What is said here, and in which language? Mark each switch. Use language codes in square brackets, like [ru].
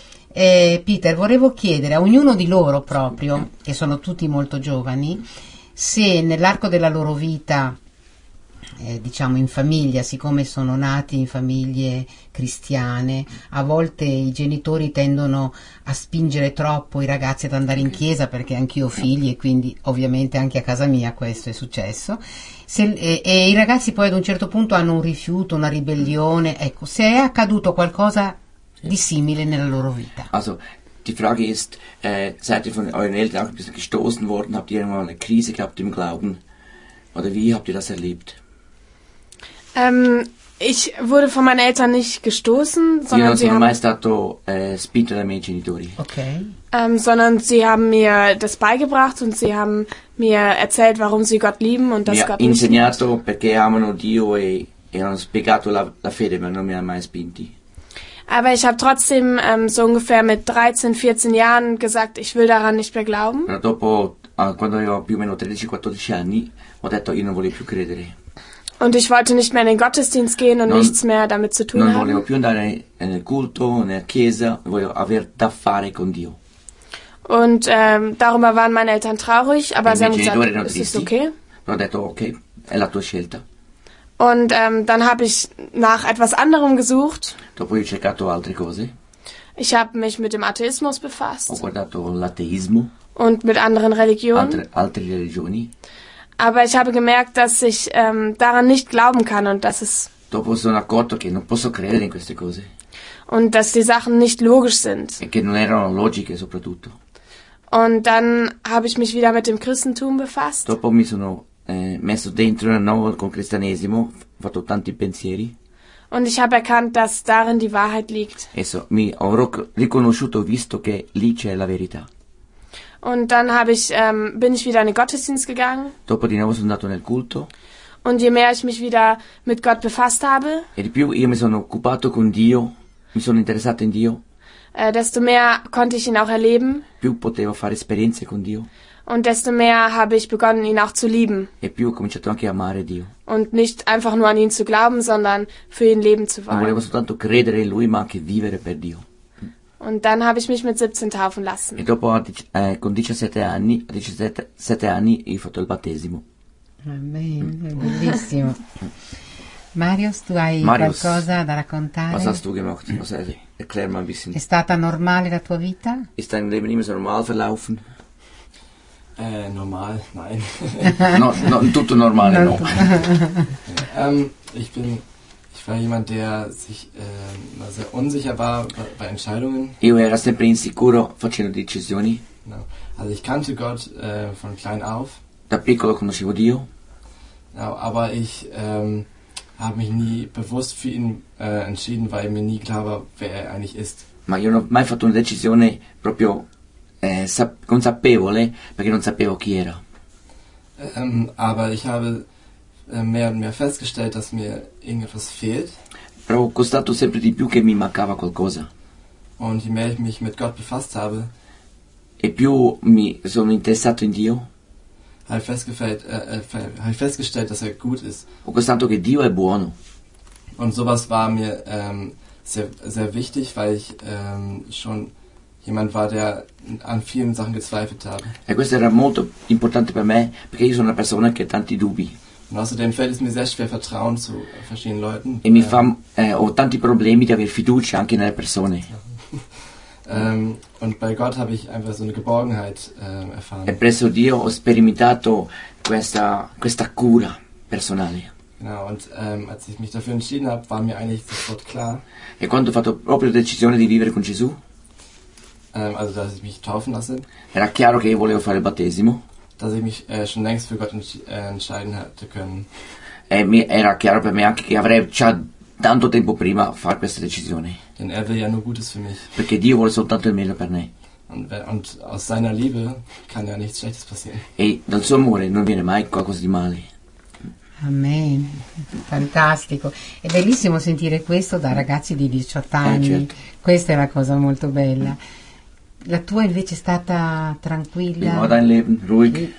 [it] Peter, volevo chiedere a ognuno di loro proprio, che sono tutti molto giovani, se nell'arco della loro vita, diciamo in famiglia, siccome sono nati in famiglie cristiane, a volte i genitori tendono a spingere troppo i ragazzi ad andare in chiesa, perché anch'io ho figli e quindi ovviamente anche a casa mia questo è successo, e i ragazzi poi ad un certo punto hanno un rifiuto, una ribellione, ecco, se è accaduto qualcosa di simile nella loro vita. [de] Also, die Frage ist, seid ihr von euren Eltern auch ein bisschen gestoßen worden? Habt ihr mal eine Krise gehabt im Glauben? Oder wie habt ihr das erlebt? Ich wurde von meinen Eltern nicht gestoßen, sondern sie haben... [it] stato spinto dai miei genitori. Okay. [de] Sondern sie haben mir das beigebracht und sie haben mir erzählt, warum sie Gott lieben und dass Gott [it] insegnato [de] nicht. [it] Perché amano Dio e hanno spiegato la fede, ma non mi hanno mai spinti. [de] Aber ich habe trotzdem so ungefähr mit 13, 14 Jahren gesagt, ich will daran nicht mehr glauben. [it] Ma dopo, quando avevo più o meno 13, 14 anni, ho detto, io non voglio più credere. [de] Und ich wollte nicht mehr in den Gottesdienst gehen und nichts mehr damit zu tun [it] non [de] haben. [it] Non volevo più andare nel culto, nella chiesa, voglio aver da fare con Dio. [de] Und darüber waren meine Eltern traurig, aber sie haben gesagt, es ist okay. [it] Ho detto, okay, è la tua scelta. [de] Und dann habe ich nach etwas anderem gesucht. [it] Dopo ho cercato altre cose. [de] Ich habe mich mit dem Atheismus befasst. [it] Ho guardato l'ateismo. [de] Und mit anderen Religionen. [it] Altre religioni. [de] Aber ich habe gemerkt, dass ich daran nicht glauben kann und dass es... [it] Dopo sono accorto che non posso credere in queste cose. [de] Und dass die Sachen nicht logisch sind. [it] E che non erano logiche soprattutto. [de] Und dann habe ich mich wieder mit dem Christentum befasst. [it] Dopo mi sono messo dentro nel nuovo con cristianesimo, ho fatto tanti pensieri. [de] Und ich habe erkannt, dass darin die Wahrheit liegt. [it] E so, mi ho riconosciuto, visto che lì c'è la verità. [de] Und dann bin ich wieder in den Gottesdienst gegangen. [it] Dopo di nuovo sono andato nel culto. [de] Und je mehr ich mich wieder mit Gott befasst habe. [it] E di più io mi sono occupato con Dio, mi sono interessato in Dio. [de] Desto mehr konnte ich ihn auch erleben. [it] Più potevo fare esperienze con Dio. [de] Und desto mehr habe ich begonnen, ihn auch zu lieben. [it] E più ho cominciato anche a amare Dio. [de] Und nicht einfach nur an ihn zu glauben, sondern für ihn leben zu wollen. [it] Non volevo soltanto credere in lui, ma anche vivere per Dio. [de] Und dann habe ich mich mit 17 taufen lassen. [it] E dopo con 17 anni ho fatto il battesimo. Amen, bellissimo. Marius, tu hai qualcosa da raccontare? [de] Was hast du gemacht? Was erklär mal ein bisschen. [it] È stata normale la tua vita? [de] Ist dein Leben immer normal verlaufen? Normal, nein. [it] tutto normale, no. [de] Ich war jemand, der sich sehr unsicher war bei Entscheidungen. [it] Io ero sempre insicuro facendo decisioni. No. [de] Also ich kannte Gott von klein auf. [it] Da piccolo conoscevo Dio. [de] No, aber ich habe mich nie bewusst für ihn entschieden, weil mir nie klar war, wer er eigentlich ist. [it] Ma io non ho mai fatto una decisione proprio consapevole, perché non sapevo chi era. [de] Aber ich habe mehr und mehr festgestellt, dass mir irgendetwas fehlt. [it] Però ho constatato sempre di più che mi mancava qualcosa. [de] Und je mehr ich mich mit Gott befasst habe, [it] e più mi sono interessato in Dio, [de] habe ich festgestellt, dass er gut ist. [it] Ho constatato che Dio è buono. [de] Und sowas war mir sehr, sehr wichtig, weil ich schon jemand war, der an vielen Sachen gezweifelt hat. [it] E questo era molto importante per me, perché io sono una persona che ha tanti dubbi. [de] Und außerdem fällt es mir sehr schwer, Vertrauen zu verschiedenen Leuten. [it] E mi fa ho tanti problemi di aver fiducia anche nelle persone. [de] Und bei Gott habe ich einfach so eine Geborgenheit erfahren. [it] E presso Dio ho sperimentato questa cura personale. [de] Genau, und als ich mich dafür entschieden habe, war mir eigentlich sofort klar. [it] E quando ho fatto proprio la decisione di vivere con Gesù. [de] Also dass ich mich taufen lasse. [it] Era chiaro che io volevo fare il battesimo. [de] Dass ich mich schon längst für Gott entscheiden hätte können. [it] Era chiaro per me anche che avrei già tanto tempo prima far questa decisione. [de] Denn er will ja nur Gutes für mich. [it] Perché Dio vuole soltanto il meglio per me. [de] Und aus seiner Liebe kann ja nichts Schlechtes passieren. [it] E dal suo amore non viene mai qualcosa di male. Amen. Fantastico. È bellissimo sentire questo da ragazzi di 18 anni. Certo. Questa è una cosa molto bella. La tua invece è stata tranquilla? [de] Wie war dein Leben? Ruhig?